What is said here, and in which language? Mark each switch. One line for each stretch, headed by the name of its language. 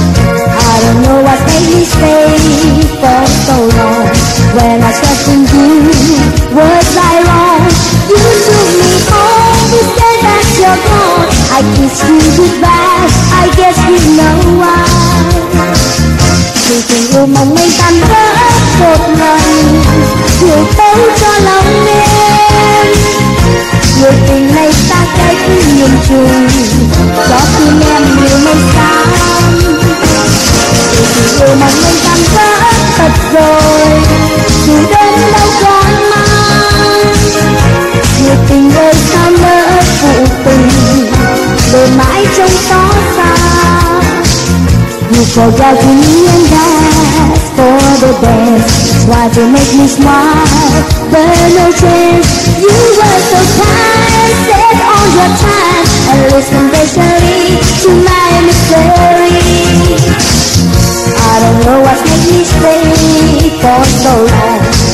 English: I don't know what made me stay for so long. When I questioned you, was I wrong? You took me home, you said that you're gone. I kiss you goodbye, I guess you know why.
Vietnamese: Chỉ tình yêu mong manh tan vỡ một lần, chiều tối cho lòng em. Người tình này ta cách nhìn chung, cho tim em nhiều mây xám. Chỉ tình yêu mong manh tan vỡ thật rồi, dù đêm đâu còn mang. Người tình ơi sao nỡ phụ tình, để mãi trong gió xa.
English: You forgot me and asked for the best. Why to make me smile, burn a chance. You were so kind, set all your time, and listen patiently to my mystery. I don't know what made me stay for so long.